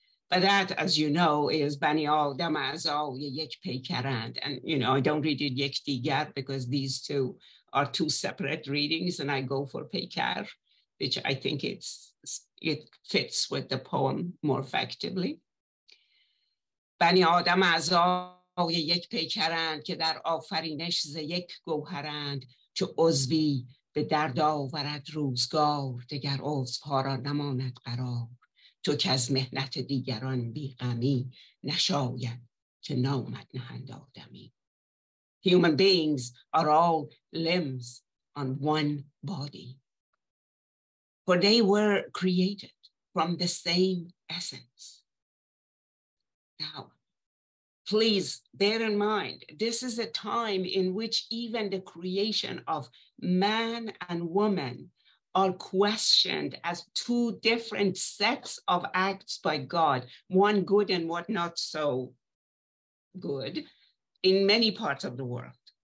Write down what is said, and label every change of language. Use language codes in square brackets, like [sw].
[en] But that, as you know, is Bani Adam Azal Yek Peykarand. And, you know, I don't read it Yek Digar because these two are two separate readings, and I go for Peykar, which I think it fits with the poem more effectively. [fa] بنی آدم اعضای یک پیکرند که در آفرینش ز یک گوهرند، چو عضوی به درد آورد روزگار دگر عذرها را نماند قرار تو که از مهنت دیگران بیغمی نشاید که نامت نهند آدمی. [en] Human beings are all limbs on one body, for they were created from the same essence. Now, please bear in mind, this is a time in which even the creation of man and woman are questioned as two different sets of acts by God, one good and one not so good, in many parts of the world.